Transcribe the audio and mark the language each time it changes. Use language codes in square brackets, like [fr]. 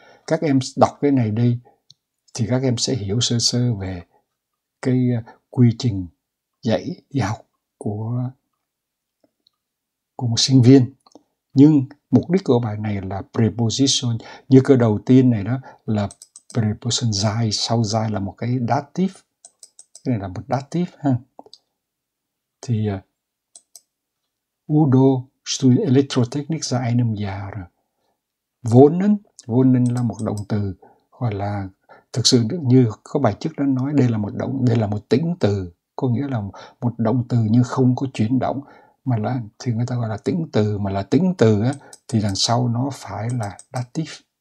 [vi] Các em đọc cái này đi thì các em sẽ hiểu sơ sơ về cái quy trình dạy đi học của một sinh viên. Nhưng mục đích của bài này là preposition. Như cái đầu tiên này đó là preposition dài, sau dài là một cái dative. Cái này là một dative ha. [de] Thì Udo studiert Elektrotechnik seit einem Jahr. [vi] Wohnen là một động từ, hoặc là thực sự như có bài trước đã nói, đây là một tĩnh từ, có nghĩa là một động từ nhưng không có chuyển động, mà là thì người ta gọi là tĩnh từ. Mà là tĩnh từ á, thì đằng sau nó phải là dative.